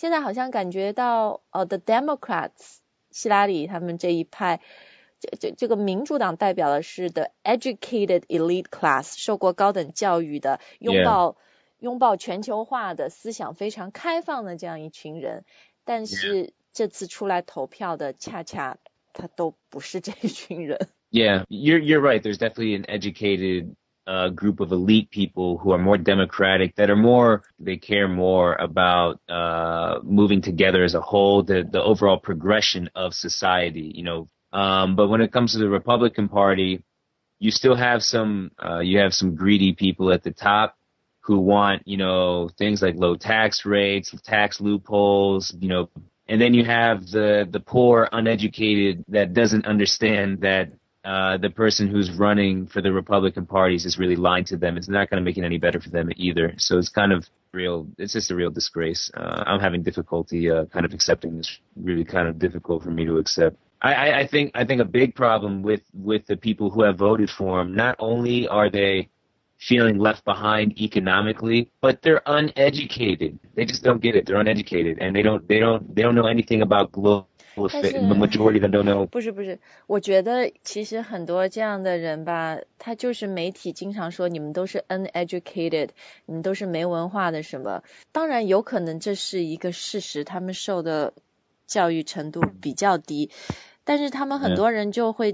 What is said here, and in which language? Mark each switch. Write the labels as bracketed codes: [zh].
[zh] 现在好像感觉到the Democrats, 希拉里他们这一派这个民主党代表的是 [en] the educated elite class, [zh] 受过高等教育的拥抱全球化的思想非常开放的这样一群人。但是这次出来投票的恰恰他都不是这一群人。 [en] Yeah, you're right. There's definitely an educated, group of elite people who are more democratic, that are more, they care more about, moving together as a whole, the overall progression of society, you know. But when it comes to the Republican Party, you still have some greedy people at the top. Who want, you know, things like low tax rates, tax loopholes, you know, and then you have the poor uneducated that doesn't understand that, the person who's running for the Republican parties is really lying to them. It's not going to make it any better for them either. So it's kind of real. It's just a real disgrace. I'm having difficulty, kind of accepting this, really kind of difficult for me to accept. I think a big problem with the people who have voted for him, not only are they,feeling left behind economically, but they're uneducated. They just don't get it. They're uneducated, and they don't know anything about global affairs. The majority of them don't know. [zh] 不是不是，我觉得其实很多这样的人吧，他就是媒体经常说你们都是 uneducated， 你们都是没文化的什么。当然有可能这是一个事实，他们受的教育程度比较低，但是他们很多人就会。